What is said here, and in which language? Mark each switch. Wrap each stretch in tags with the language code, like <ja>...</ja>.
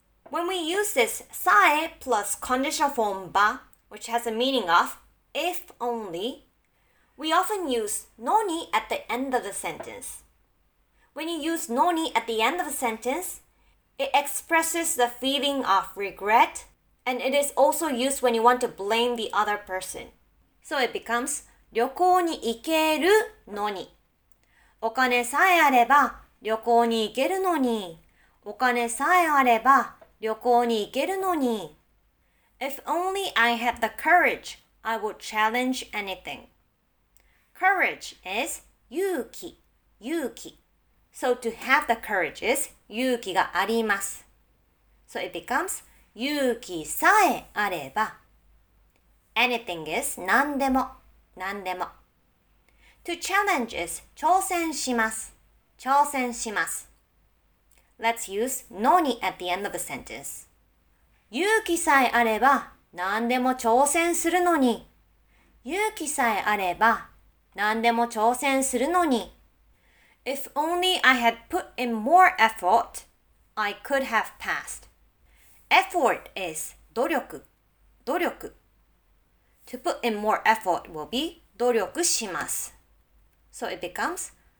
<en>When we use this さえ plus conditional form ば, which has a meaning of if only, we often use のに at the end of the sentence. When you use のに at the end of a sentence, it expresses the feeling of regret, and it is also used when you want to blame the other person. So it becomes</en> <ja>旅行に行けるのに。お金さえあれば旅行に行けるのに。お金さえあれば旅行に行けるのに。</ja> <en>If only I had the courage, I would challenge anything. Courage is 勇気、勇気。 So to have the courage is</en> <ja>勇気があります。</ja> <en>So it becomes</en> <ja>勇気さえあれば。</ja> <en>Anything is 何でも、何でも。To challenge is 挑戦します、挑戦します。 Let's use のに at the end of the sentence.</en> <ja>勇気さえあれば何でも挑戦するのに。勇気さえあれば何でも挑戦するのに。</ja> <en>If only I had put in more effort, I could have passed. Effort is 努力、努力。To put in more effort will be 努力します。So it becomes</en>